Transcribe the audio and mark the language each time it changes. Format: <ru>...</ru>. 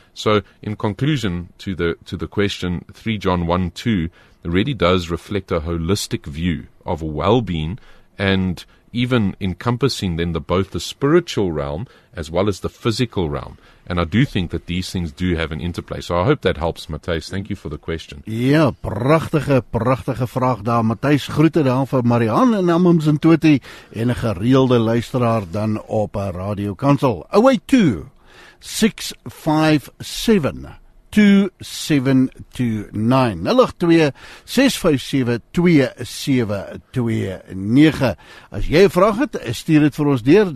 <en>So in conclusion to the question, 3 John 1, 2 really does reflect a holistic view of well-being, and even encompassing then both the spiritual realm as well as the physical realm. And I do think that these things do have an interplay. So I hope that helps, Matthijs. Thank you for the question.</en> <af>Yeah, prachtige, prachtige vraag daar. Matthijs, groete daar van Marianne en Amums en Twitty en een gereelde luisteraar dan op Radio Kansel. Away to 657-2729 As jy vraag het, stuur het vir ons deur.</af>